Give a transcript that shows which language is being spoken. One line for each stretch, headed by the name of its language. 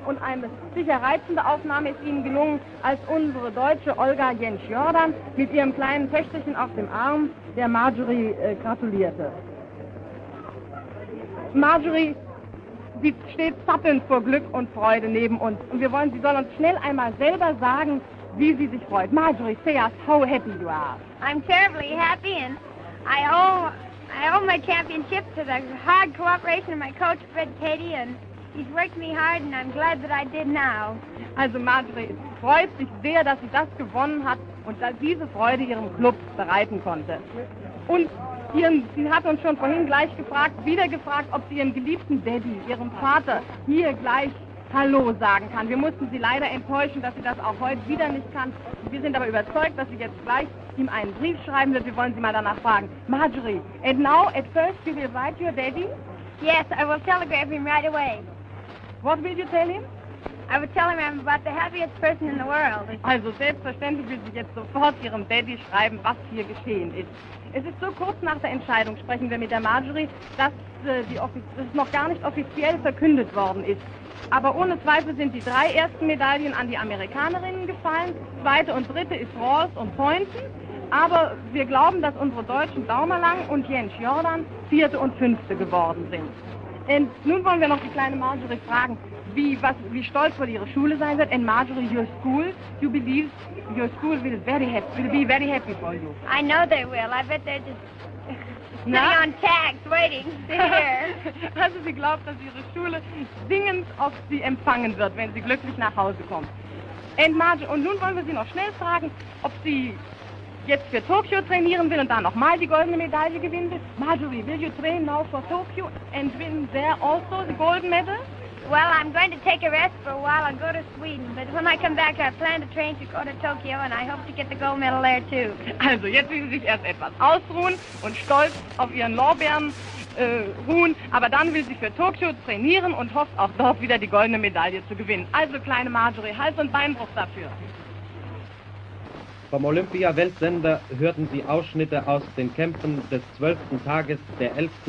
German: Und eine sicher reizende Aufnahme ist ihnen gelungen, als unsere deutsche Olga Jentsch-Jordan mit ihrem kleinen Töchterchen auf dem Arm der Marjorie gratulierte. Marjorie, sie steht zappelnd vor Glück und Freude neben uns. Und wir wollen, sie soll uns schnell einmal selber sagen, wie sie sich freut.
English: Marjorie, say us how happy you are. I'm terribly happy and I owe my championship to the hard cooperation of my coach, Fred Cady, and he's worked me hard and I'm glad that I did now.
German: Also Marjorie, es freut sich sehr, dass sie das gewonnen hat und dass diese Freude ihrem Club bereiten konnte. Und sie hat uns schon vorhin gleich wieder gefragt, ob sie ihren geliebten Daddy, ihrem Vater, hier gleich Hallo sagen kann. Wir mussten sie leider enttäuschen, dass sie das auch heute wieder nicht kann. Wir sind aber überzeugt, dass sie jetzt gleich ihm einen Brief schreiben wird. Wir wollen sie mal danach fragen.
English: Marjorie, and now, at first, you will write your daddy? Yes, I will telegraph him right away. What will you tell him? I will tell him I'm about the happiest person in the world.
German: Also selbstverständlich will sie jetzt sofort ihrem Daddy schreiben, was hier geschehen ist. Es ist so kurz nach der Entscheidung, sprechen wir mit der Marjorie, dass das noch gar nicht offiziell verkündet worden ist. Aber ohne Zweifel sind die drei ersten Medaillen an die Amerikanerinnen gefallen. Zweite und dritte ist Ross und Poynton. Aber wir glauben, dass unsere Deutschen Daumerlang und Jentsch Jordan vierte und fünfte geworden sind. Und nun wollen wir noch die kleine Marjorie fragen, wie stolz wohl ihre Schule sein wird.
English: And Marjorie, your school, you believe your school will be very happy for you. I know they will. I bet they're just sitting on tags, waiting.
German: Also sie glaubt, dass ihre Schule singend auf sie empfangen wird, wenn sie glücklich nach Hause kommt. Und nun wollen wir sie noch schnell fragen, ob sie jetzt für Tokio trainieren will und da nochmal die goldene Medaille gewinnen will.
English: Marjorie, will you train now for Tokyo and win there also the gold medal? Well, I'm going to take a rest for a while and go to Sweden. But when I come back, I plan to train to go to Tokyo and I hope to get the gold medal there too.
German: Also, jetzt will sie sich erst etwas ausruhen und stolz auf ihren Lorbeeren ruhen. Aber dann will sie für Tokio trainieren und hofft auch dort wieder die goldene Medaille zu gewinnen. Also, kleine Marjorie, Hals- und Beinbruch dafür. Vom Olympia-Weltsender hörten Sie Ausschnitte aus den Kämpfen des 12. Tages der 11.